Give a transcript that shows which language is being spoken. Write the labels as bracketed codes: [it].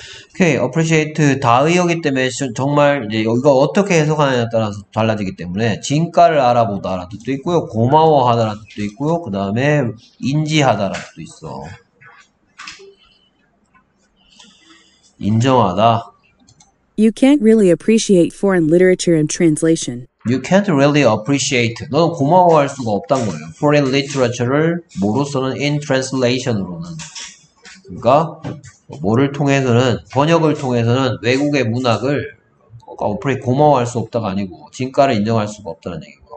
[ko] okay, appreciate 다의어기 때문에 정말 이제 이거 어떻게 해석하느냐에 따라서 달라지기 때문에 진가를 알아보다라는 뜻도 있고요, 고마워하다라는 뜻도 있고요, 그 다음에 인지하다라는 뜻도 있어. 인정하다. [en] You can't really appreciate foreign literature and translation. You can't really appreciate. [ko] 너는 고마워할 수가 없단 거예요. [en] Foreign literature [ko] 를 뭐로서는 [en] in translation [ko] 으로는. 그러니까 뭐를 통해서는 번역을 통해서는 외국의 문학을 고마워할 수 없다가 아니고 진가를 인정할 수가 없다는 얘기고요.